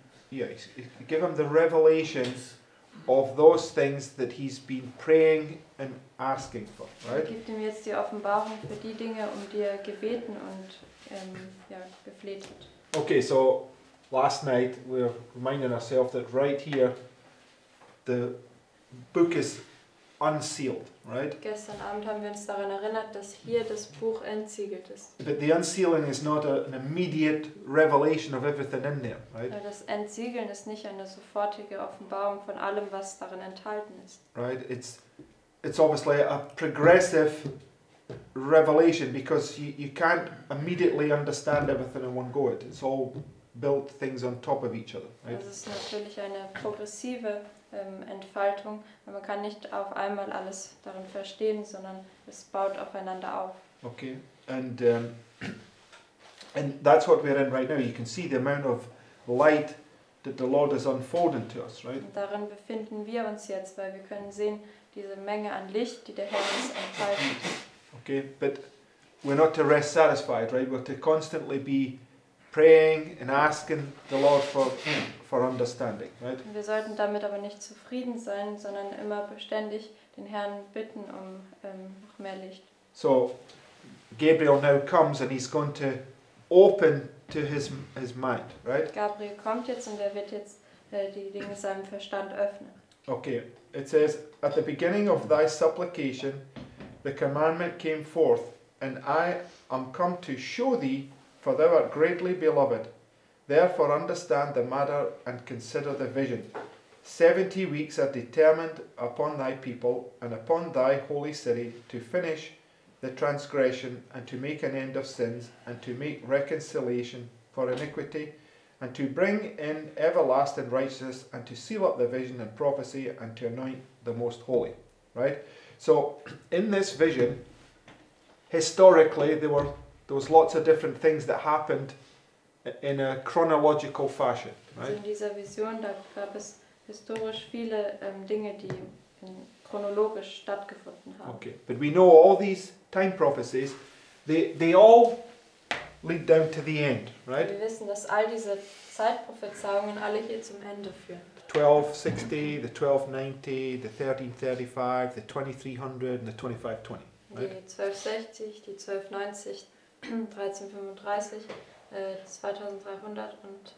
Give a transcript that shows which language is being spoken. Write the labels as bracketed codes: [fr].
[en] Yeah, give him the revelations of those things that he's been praying and asking for, right? [de] Er gibt ihm jetzt die Offenbarung für die Dinge, um die er gebeten und gefleht hat. [en] Okay, so last night we're reminding ourselves that right here the book is unsealed, right? [de] Gestern Abend haben wir uns daran erinnert, dass hier das Buch entsiegelt ist. [en] But the unsealing is not an immediate revelation of everything in there, right? [de] Das Entsiegeln ist nicht eine sofortige Offenbarung von allem, was darin enthalten ist. [en] Right? It's obviously a progressive revelation, because you can't immediately understand everything in one go. It's all built things on top of each other, right? [de] Das ist natürlich eine progressive Entfaltung. Man kann nicht auf einmal alles darin verstehen, sondern es baut aufeinander auf. [en] Okay, and that's what we're in right now. You can see the amount of light that the Lord is unfolding to us, right? [de] Und darin befinden wir uns jetzt, weil wir können sehen diese Menge an Licht, die der Herr uns entfaltet. [en] Okay, but we're not to rest satisfied, right? We're to constantly be praying and asking the Lord for understanding, right? [de] Wir sollten damit aber nicht zufrieden sein, sondern immer beständig den Herrn bitten um noch mehr Licht. [en] So Gabriel now comes and he's going to open to his mind, right? [de] Gabriel kommt jetzt und er wird jetzt die Dinge seinem Verstand öffnen. [en] Okay, it says, at the beginning of thy supplication, the commandment came forth, and I am come to show thee, for thou art greatly beloved. Therefore understand the matter and consider the vision. 70 weeks are determined upon thy people and upon thy holy city to finish the transgression and to make an end of sins and to make reconciliation for iniquity and to bring in everlasting righteousness and to seal up the vision and prophecy and to anoint the most holy. Right? So in this vision, historically, there was lots of different things that happened in a chronological fashion. Right? [de] Also in dieser Vision, da gab es historisch viele Dinge, die chronologisch stattgefunden haben. [en] Okay, but we know all these time prophecies, they all lead down to the end, right? [de] Wir wissen, dass all diese Zeitprophezeiungen alle hier zum Ende führen. [en] 1260, the 1290, the 1335, the 2300 and the 2520. [de] Right? Die 1260, die 1290, 1335, 2300 und